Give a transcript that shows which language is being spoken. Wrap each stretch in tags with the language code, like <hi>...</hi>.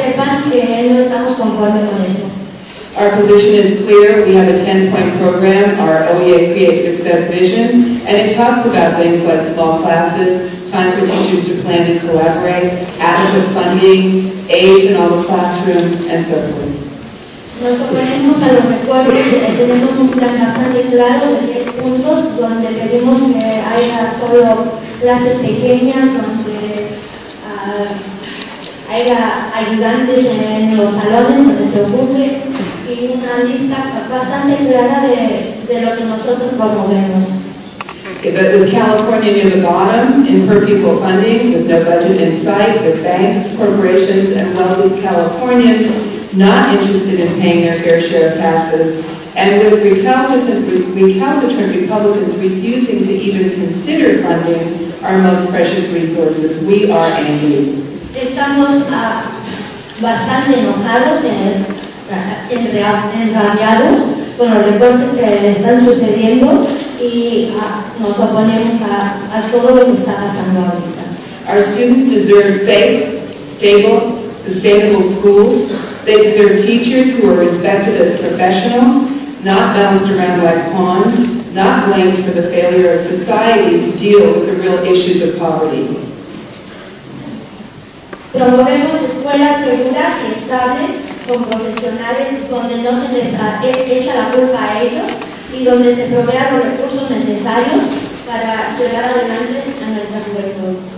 <en>Our position is clear. We have a 10-point program, our OEA Create Success Vision, and it talks about things like small classes, time for teachers to plan and collaborate, adequate funding, aids in all the classrooms, and so forth.</en> <es>Nos oponemos a los recortes, tenemos un plan bastante claro de 10 puntos donde queremos que haya solo clases pequeñas, donde haya ayudantes en los salones donde se ocupe y una lista bastante clara de lo que nosotros promovemos.</es> <en>With California near the bottom, in per pupil funding, with no budget in sight, with banks, corporations, and wealthy Californians not interested in paying their fair share of taxes, and with recalcitrant Republicans refusing to even consider funding our most precious resources, we are angry.</en> <es>Estamos bastante enojados, enrabiados con los recortes que están sucediendo y nos oponemos a todo lo que está pasando ahorita.</es> <en>Our students deserve safe, stable, sustainable schools. They deserve teachers who are respected as professionals, not balanced around like pawns, not blamed for the failure of society to deal with the real issues of poverty.</en> <es>Promovemos escuelas seguras y estables con profesionales donde no se les echa la culpa a ellos y donde se provean los recursos necesarios para llevar adelante a nuestra juventud.</es>